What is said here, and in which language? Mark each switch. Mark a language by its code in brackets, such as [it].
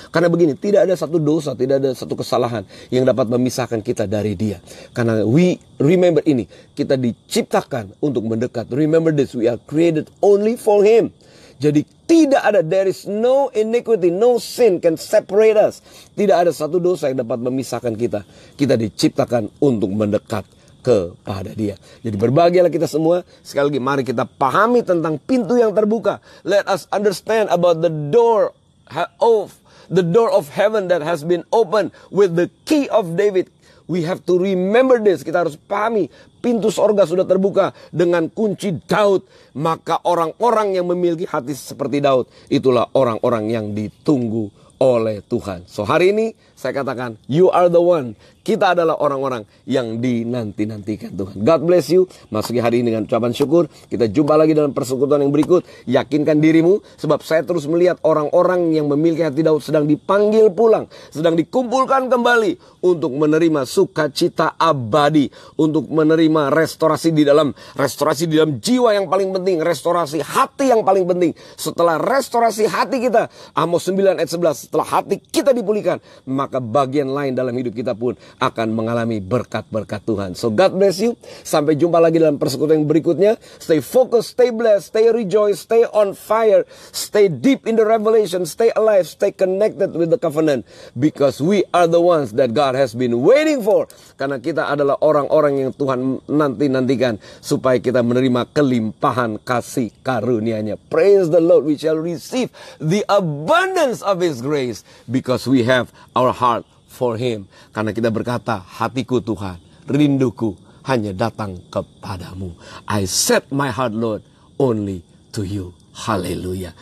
[id] Karena begini, tidak ada satu dosa, tidak ada satu kesalahan yang dapat memisahkan kita dari Dia. Karena [en] we remember [id] ini, kita diciptakan untuk mendekat. [en] Remember this, we are created only for Him. [id] Jadi tidak ada, [en] there is no iniquity, no sin can separate us. [id] Tidak ada satu dosa yang dapat memisahkan kita. Kita diciptakan untuk mendekat kepada Dia. Jadi berbahagialah kita semua. Sekali lagi, mari kita pahami tentang pintu yang terbuka. [en] Let us understand about the door of heaven that has been opened with the key of David. We have to remember this. [id] Kita harus pahami pintu sorga sudah terbuka dengan kunci Daud. Maka orang-orang yang memiliki hati seperti Daud, itulah orang-orang yang ditunggu oleh Tuhan. So hari ini saya katakan, [en] you are the one. [id] Kita adalah orang-orang yang dinanti-nantikan Tuhan. [en] God bless you. [id] Masuki hari ini dengan ucapan syukur. Kita jumpa lagi dalam persekutuan yang berikut. Yakinkan dirimu, sebab saya terus melihat orang-orang yang memiliki hati Daud sedang dipanggil pulang, sedang dikumpulkan kembali untuk menerima sukacita abadi, untuk menerima restorasi di dalam jiwa yang paling penting, restorasi hati yang paling penting. Setelah restorasi hati kita, Amos 9 ayat 11, setelah hati kita dipulihkan, maka bagian lain dalam hidup kita pun akan mengalami berkat-berkat Tuhan. [en] So God bless you. [id] Sampai jumpa lagi dalam persekutuan yang berikutnya. [en] Stay focused, stay blessed, stay rejoiced, stay on fire, stay deep in the revelation, stay alive, stay connected with the covenant, because we are the ones that God has been waiting for. [id] Karena kita adalah orang-orang yang Tuhan nanti-nantikan supaya kita menerima kelimpahan kasih karunia-Nya. [en] Praise the Lord, we shall receive the abundance of His grace, because we have our heart for Him. [id] Karena kita berkata, hatiku Tuhan, rinduku hanya datang kepada-Mu. [en] I set my heart, Lord, only to You. Haleluya.